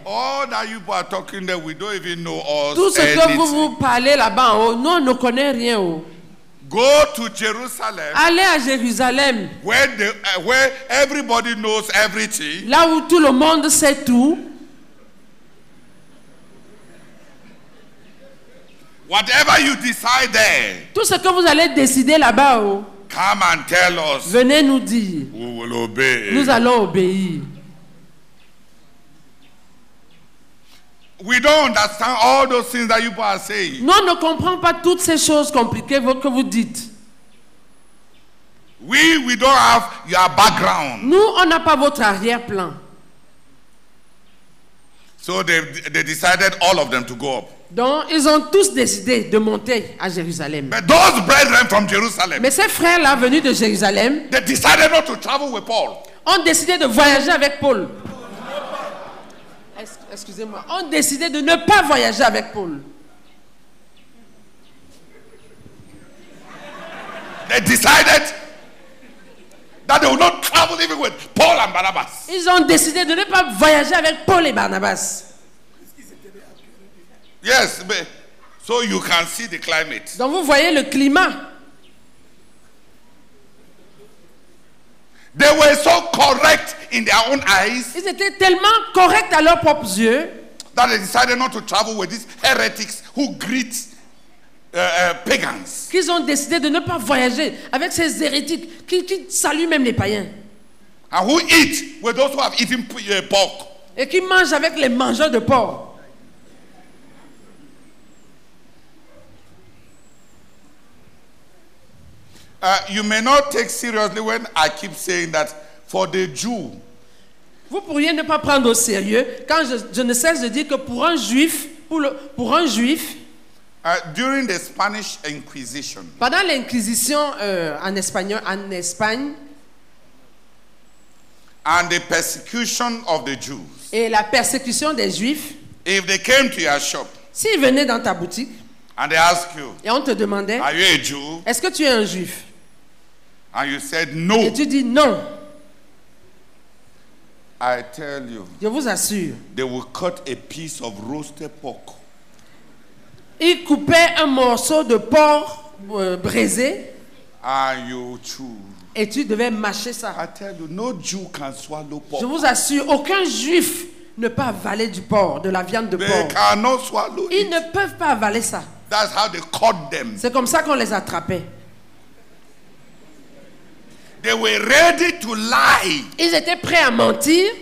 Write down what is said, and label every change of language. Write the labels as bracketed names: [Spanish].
[English] all that you are talking there, we don't even know us. [French] Tout ce que vous parlez là-bas, oh, nous on ne connaît rien, oh. [English] Go to Jerusalem. [French] Allez à Jérusalem. [English] Where everybody knows everything. [French] Là où tout le monde sait tout. [English] Whatever you decide there. [French] Tout ce que vous allez décider là-bas, oh. [English] Come and tell us. [French] Venez nous dire. [English] We will obey. [French] Nous allons obéir. [English] We don't understand all those things that you are saying. [French] Nous ne comprenons pas toutes ces choses compliquées que vous dites. [English] We don't have your background. [French] Nous, on n'a pas votre arrière-plan. [English] So they decided all of them to go up. [French] Donc, ils ont tous décidé de monter à Jérusalem. [English] But those brethren from Jerusalem, [French] mais ces frères-là venus de Jérusalem, [English] they decided not to travel with Paul. [French] Ont décidé de voyager avec Paul. Excusez-moi. Ont décidé de ne pas voyager avec Paul. [English] They decided that they will not travel even with Paul and Barnabas. [French] Ils ont décidé de ne pas voyager avec Paul et Barnabas. [English] Yes, but so you can see the climate. [French] Donc vous voyez le climat. [English] They were so correct in their own eyes. [French] Ils étaient tellement corrects à leurs propres yeux. [English] That they decided not to travel with these heretics who greet pagans. [French] Qu'ils ont décidé de ne pas voyager avec ces hérétiques qui saluent même les païens. [English] And who eat with those who have eaten pork. [French] Et qui mangent avec les mangeurs de porc. [English] You may not take seriously when I keep saying that for the Jew. [French] Vous pourriez ne pas prendre au sérieux quand je ne cesse de dire que pour un juif, pour un juif. [English] During the Spanish Inquisition. [French] Pendant l'Inquisition en Espagne. [English] And the persecution of the Jews. [French] Et la persécution des juifs. [English] If they came to your shop. [French] S'ils venaient dans ta boutique. [English] And they ask you. [French] Et on te demandait. [English] Are you a Jew? [French] Est-ce que tu es un juif? [English] And you said no. [French] Et tu dis non. [English] I tell you. [French] Je vous assure. [English] They will cut a piece of roasted pork. [French] Ils coupaient un morceau de porc braisé. [English] And you chew. [French] Et tu devais mâcher ça. [English] I tell you, no Jew can swallow pork. [French] Je vous assure, aucun juif ne peut avaler du porc, de la viande de porc. [English] They cannot swallow [French] it. Ils ne peuvent pas avaler ça. [English] That's how they caught them. [French] C'est comme ça qu'on les attrapait. [English] They were ready to lie. [French] Ils étaient prêts à mentir.